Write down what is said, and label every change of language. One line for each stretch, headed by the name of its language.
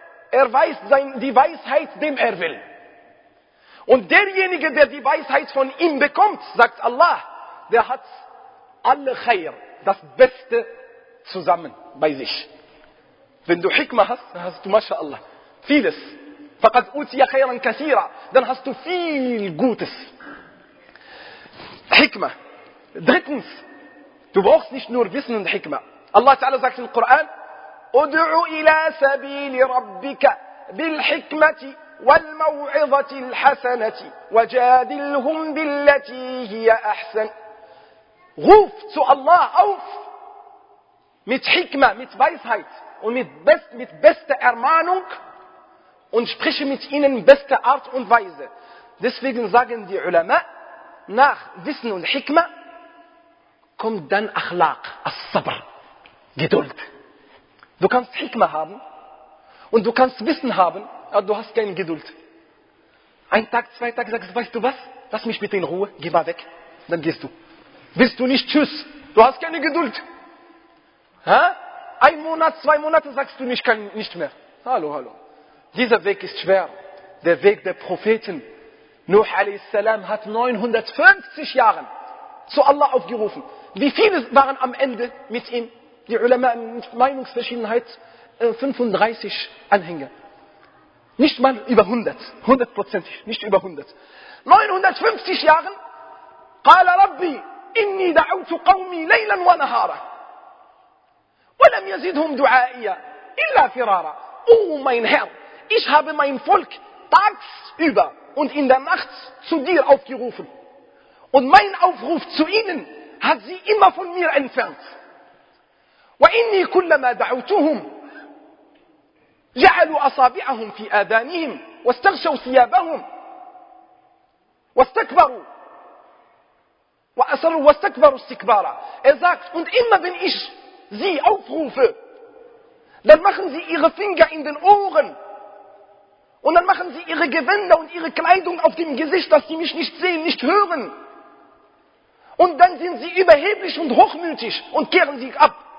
German: Er weiß die Weisheit, dem er will. Und derjenige, der die Weisheit von ihm bekommt, sagt Allah, der hat alle Khair, das Beste zusammen bei sich. Wenn du Hikma hast, dann hast du, mashallah, vieles.
Arabic: فَقَدْ أُوْتِيَ خَيْرًا كَثِيرًا.
German: Dann hast du viel Gutes. Hikma. Drittens, du brauchst nicht nur Wissen und Hikma. Allah Ta'ala sagt im Koran,
Arabic: أُدْعُ إِلَى سَبِيلِ رَبِّكَ بِالْحِكْمَةِ والموعظة الحسنة وجادلهم بالتي هي أحسن.
German: Ruf zu Allah auf mit Hikma, mit Weisheit und mit bester Ermahnung und spreche mit ihnen in bester Art und Weise. Deswegen sagen die Ulama, nach Wissen und Hikma kommt dann Akhlaq, As-Sabr, Geduld. Du kannst Hikma haben und du kannst Wissen haben, du hast keine Geduld. Ein Tag, zwei Tage, sagst du, weißt du was? Lass mich bitte in Ruhe, geh mal weg. Dann gehst du. Willst du nicht, tschüss. Du hast keine Geduld. Ha? Ein Monat, zwei Monate, sagst du, ich kann nicht mehr. Hallo, hallo. Dieser Weg ist schwer. Der Weg der Propheten. Nuh a.s. hat 950 Jahre zu Allah aufgerufen. Wie viele waren am Ende mit ihm? Die Ulema in Meinungsverschiedenheit, 35 Anhänger. Nicht mal über 100, hundertprozentig, nicht über 100. 950 Jahren,
Arabic: قال ربي إني دعوت قومي ليلا ونهارا ولم يزدهم دعائيا إلا فرارا.
German: Oh mein Herr, ich habe mein Volk tagsüber und in der Nacht zu dir aufgerufen. Und mein Aufruf zu ihnen hat sie immer von mir entfernt.
Arabic: وإني كلما دعوتهم جعلوا أصابعهم في آذانهم واستغشوا ثيابهم واستكبروا وأصروا واستكبروا استكبارا.
German: Er sagt, und immer wenn ich sie aufrufe, dann machen sie ihre Finger in den Ohren und dann machen sie ihre Gewänder und ihre Kleidung auf dem Gesicht, dass sie mich nicht sehen, nicht hören. Und dann sind sie überheblich und hochmütig und kehren sich ab.